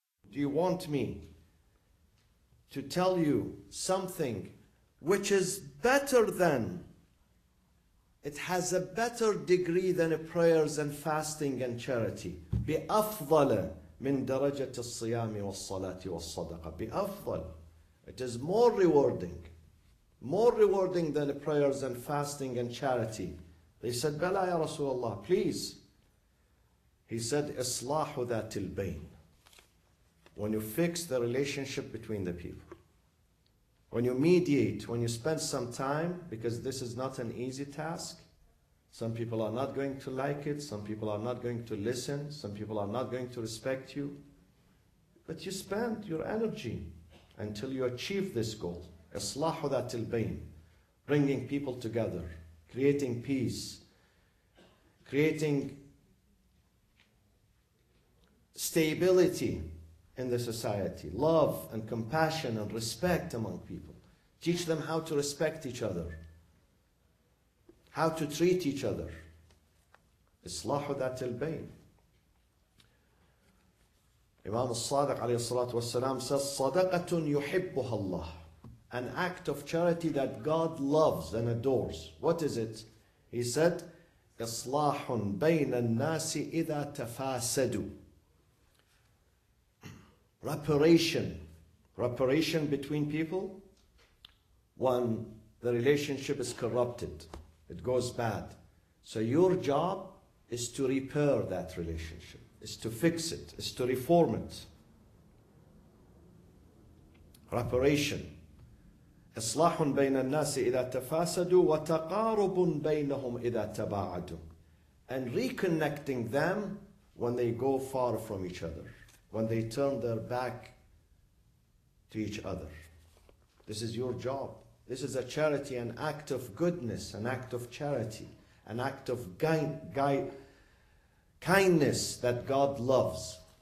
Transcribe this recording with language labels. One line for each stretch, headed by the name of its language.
English: Do you want me to tell you something which is better than, it has a better degree than prayers and fasting and charity?
Arabic: بأفضل من درجة الصيام والصلاة والصدقة. بأفضل.
English: It is more rewarding. More rewarding than prayers and fasting and charity. They said,
Arabic: بلى يا رسول الله,
English: please. He said,
Arabic: إصلاح ذات البين.
English: When you fix the relationship between the people. When you mediate, when you spend some time, because this is not an easy task. Some people are not going to like it. Some people are not going to listen. Some people are not going to respect you. But you spend your energy until you achieve this goal.
Arabic: إصلاح ذات البين.
English: Bringing people together. Creating peace. Creating stability in the society. Love and compassion and respect among people. Teach them how to respect each other. How to treat each other.
Arabic: إصلاح ذات البين.
English: Imam al-Sadiq alayhi salatu wasalam says,
Arabic: صدقة يحبها الله.
English: An act of charity that God loves and adores. What is it? He said,
Arabic: إصلاح بين الناس إذا تفاسدوا.
English: Reparation. Reparation between people when the relationship is corrupted. It goes bad. So your job is to repair that relationship, is to fix it, is to reform it. Reparation.
Arabic: إصلاح بين الناس إذا تفاسدوا وتقارب بينهم إذا تباعدوا.
English: And reconnecting them when they go far from each other, when they turn their back to each other. This is your job. This is a charity, an act of goodness, an act of charity, an act of kindness that God loves.